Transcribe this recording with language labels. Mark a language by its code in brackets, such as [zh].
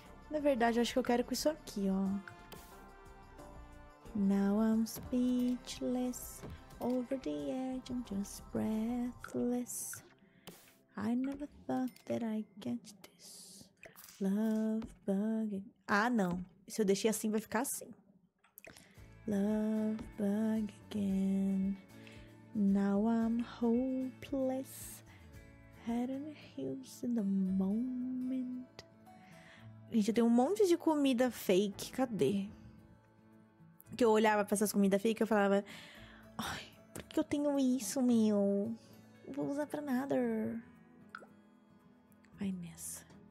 [pt] Na verdade, eu acho que eu quero com isso aqui, ó. [en] Now I'm speechless, over the edge, I'm just breathless. I never thought that I'd get this love bug. [pt] Ah, não. Se eu deixei assim, vai ficar assim. [en] Love bug again. Now I'm hopeless, head and heels in the moment. [pt] Gente, eu tenho um monte de comida fake. Cadê? Que eu olhava pra essas comidas fake e eu falava, ai, Por que eu tenho isso, meu? Não vou usar pra nada. Vai nessa.